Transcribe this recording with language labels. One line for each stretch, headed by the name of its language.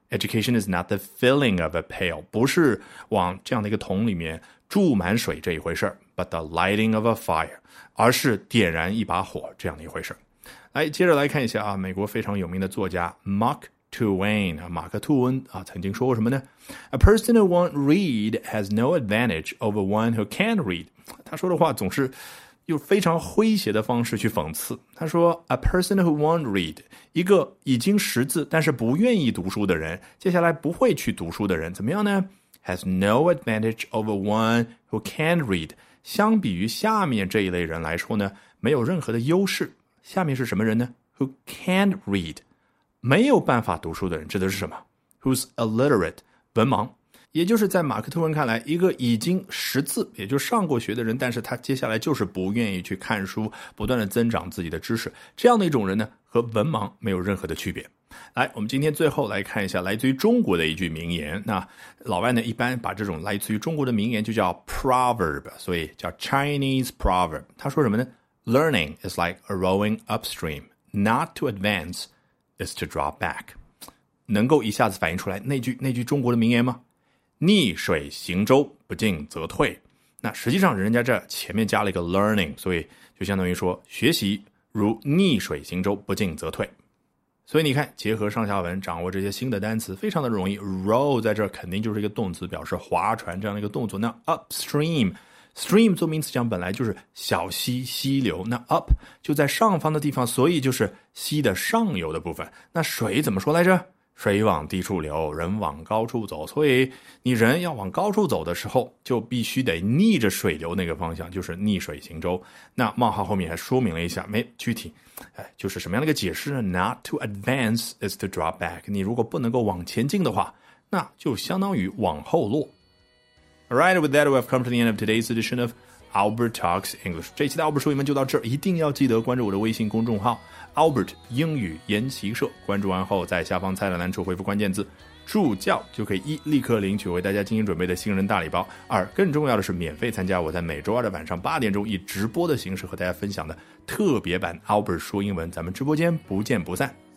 English: Education is not the filling of a pail,
Chinese: 不是往这样的一个桶里面注满水这一回事
English: but the lighting of a fire,
Chinese: 而是点燃一把火这样的一回事。来，接着来看一下啊，美国非常有名的作家 Mark Twain, 马克吐温啊，曾经说过什么呢？
English: A person who won't read has no advantage over one who can read.
Chinese: 他说的话总是用非常诙谐的方式去讽刺。他说
English: A person who won't read,
Chinese: 一个已经识字但是不愿意读书的人，接下来不会去读书的人怎么样呢？
English: Has no advantage over one who can read.
Chinese: 相比于下面这一类人来说呢，没有任何的优势。下面是什么人呢？
English: Who can read,
Chinese: 没有办法读书的人，指的是什么？
English: Who's illiterate,
Chinese: 文盲。也就是在马克吐温看来，一个已经识字也就上过学的人，但是他接下来就是不愿意去看书，不断的增长自己的知识，这样的一种人呢，和文盲没有任何的区别。来，我们今天最后来看一下来自于中国的一句名言。那老外呢，一般把这种来自于中国的名言就叫 proverb， 所以叫 Chinese proverb。他说什么呢？
English: Learning is like rowing upstream, not to advance is to draw back。
Chinese: 能够一下子反映出来那句中国的名言吗？逆水行舟，不进则退。那实际上人家这前面加了一个 learning， 所以就相当于说学习如逆水行舟，不进则退。所以你看，结合上下文掌握这些新的单词非常的容易。 row 在这肯定就是一个动词，表示划船这样的一个动作。那 upstream， stream 做名词讲本来就是小溪溪流，那 up 就在上方的地方，所以就是溪的上游的部分。那水怎么说来着？水往低处流，人往高处走。所以你人要往高处走的时候，就必须得逆着水流那个方向，就是逆水行舟。那冒号后面还说明了一下，没具体，哎，就是什么样的一个解释呢？
English: Not to advance is to drop back，
Chinese: 你如果不能够往前进的话，那就相当于往后落。
English: Alright, with that we have come to the end of today's edition of Albert Talks English。
Chinese: 这期的 Albert 说英文就到这儿，一定要记得关注我的微信公众号Albert 英语研习社，关注完后在下方菜单栏处回复关键字助教，就可以一立刻领取为大家精心准备的新人大礼包，二更重要的是免费参加我在每周二的晚上8点以直播的形式和大家分享的特别版 Albert 说英文，咱们直播间不见不散。